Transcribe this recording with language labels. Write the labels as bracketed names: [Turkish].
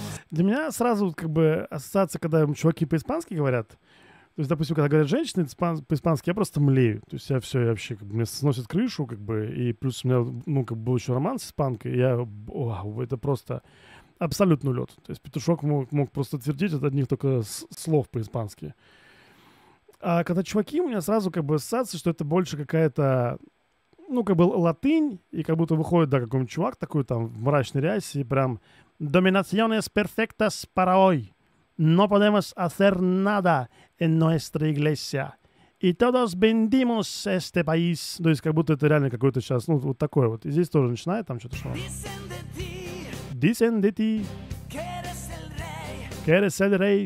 [Russian] Для меня сразу как бы ассоциация, когда чуваки по-испански говорят, то есть, допустим, когда говорят женщины по-испански, я просто млею, то есть я все, я вообще, как бы, мне сносит крышу, как бы, и плюс у меня, ну, как бы, был еще роман с испанкой, я, вау, это просто абсолютно улет, то есть петушок мог просто твердить от одних только слов по-испански. А когда чуваки, у меня сразу как бы ассоциация, что это больше какая-то, ну, как бы латынь, и как будто выходит, да, какой-нибудь чувак такой там в мрачной рясе и прям [Spanish] «Dominaciones perfectas para hoy. No podemos hacer nada en nuestra iglesia. Y todos bendimos este país». [Russian] То есть как будто это реально какой-то сейчас, ну, вот такое вот. И здесь тоже начинает там что-то шло. [Spanish] «Dicen de ti, que eres el rey».